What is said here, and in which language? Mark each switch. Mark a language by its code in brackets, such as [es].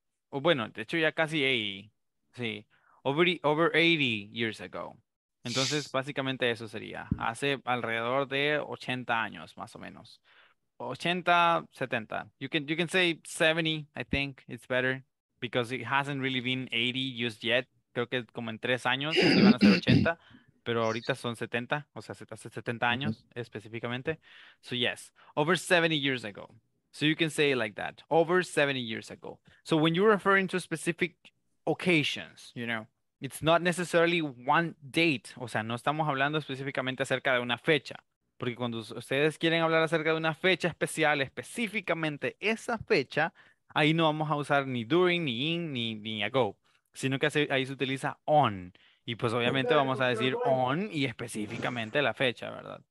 [es] O bueno, de hecho ya casi 80, sí, [en] over 80 years ago. [es] Entonces, básicamente eso sería, hace alrededor de 80 años, más o menos. 80, 70. [en] You can say 70, I think it's better, because it hasn't really been 80 just yet. [es] Creo que como en 3 años iban a ser 80, pero ahorita son 70, o sea, hace 70 años específicamente. [en] So yes, over 70 years ago. So you can say it like that, over 70 years ago. So when you're referring to specific occasions, you know, it's not necessarily one date. [es] O sea, no estamos hablando específicamente acerca de una fecha. Porque cuando ustedes quieren hablar acerca de una fecha especial, específicamente esa fecha, ahí no vamos a usar ni during, ni in, ni ago. Sino que ahí se utiliza on. Y pues obviamente vamos a decir on y específicamente la fecha, ¿verdad?